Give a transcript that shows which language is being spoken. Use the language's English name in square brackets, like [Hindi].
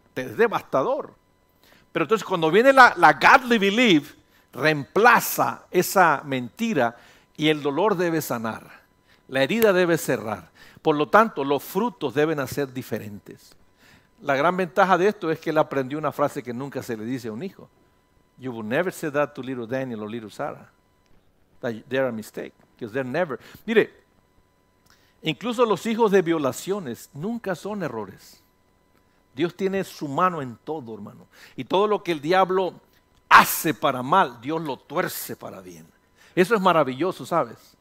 [Spanish] Es devastador. Pero entonces cuando viene la godly belief, reemplaza esa mentira y el dolor debe sanar. La herida debe cerrar. Por lo tanto, los frutos deben ser diferentes. La gran ventaja de esto es que él aprendió una frase que nunca se le dice a un hijo. [English] You will never say that to little Daniel or little Sarah. That they're a mistake. Because they're never. [Spanish] Mire, incluso los hijos de violaciones nunca son errores. Dios tiene su mano en todo, hermano. Y todo lo que el diablo hace para mal, Dios lo tuerce para bien. Eso es maravilloso, ¿sabes?